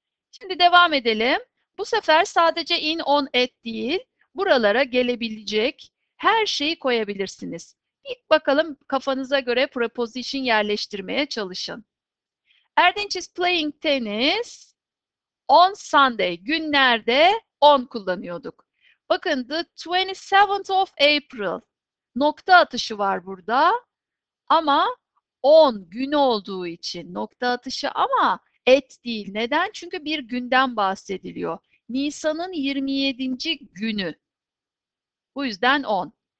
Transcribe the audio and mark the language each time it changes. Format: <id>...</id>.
<tr>Şimdi devam edelim. Bu sefer sadece in on et değil, buralara gelebilecek her şeyi koyabilirsiniz. İlk bakalım kafanıza göre preposition yerleştirmeye çalışın.</tr> <en>Erdinç is playing tennis on Sunday.</en> <tr>Günlerde on kullanıyorduk. Bakın</tr> <en>the 27th of April.</en> <tr>Nokta atışı var burada. Ama on gün olduğu için nokta atışı ama et değil. Neden? Çünkü bir günden bahsediliyor. Nisan'ın 27. günü. Bu yüzden on.</tr>